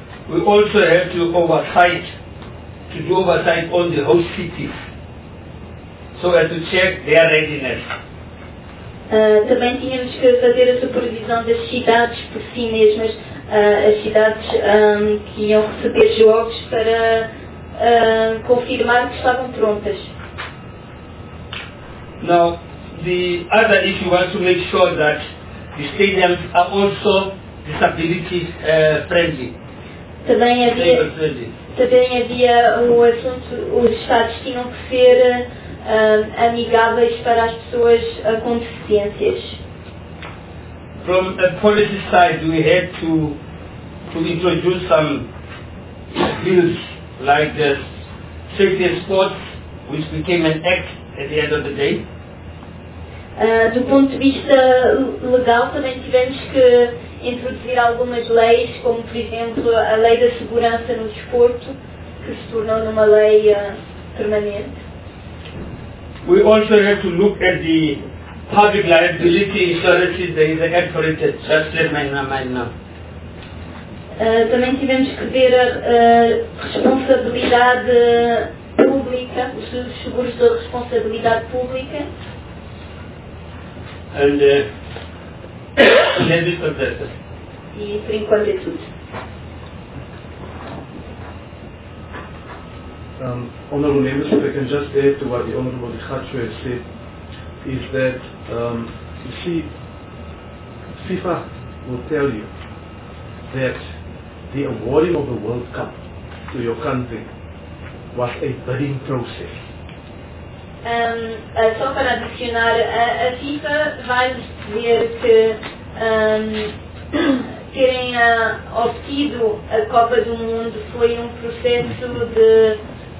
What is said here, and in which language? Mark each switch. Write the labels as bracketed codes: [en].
[en] We also have to oversight on the host cities, so as to check their readiness. [pt] Também tínhamos que fazer a supervisão das cidades por si mesmas, as cidades que iam receber jogos para confirmar que estavam prontas. [en] Now, the other issue was to make sure that the stadiums are also disability friendly. [pt] Também havia o assunto, os estádios tinham que ser amigáveis para as pessoas com deficiências. [en] From the policy side, we had to introduce some bills like the safety and sports, which became an act at the end of the day. [pt] Do ponto de vista legal, também tivemos que introduzir algumas leis, como por exemplo a lei da segurança no desporto, que se tornou numa lei permanente. [en] We also have to look at the public liability insurance that is incorporated, just let me know. [pt] Também tivemos que ver a responsabilidade pública, os seguros da responsabilidade pública. [en] And let me confess. [pt] E por enquanto é tudo. [en] Honourable members, if I can just add to what the Honourable Dikhatshu has said, is that, you see, FIFA will tell you that the awarding of the World Cup to your country was a bidding process. [pt] Só para adicionar, a FIFA vai dizer que terem obtido a Copa do Mundo foi um processo de...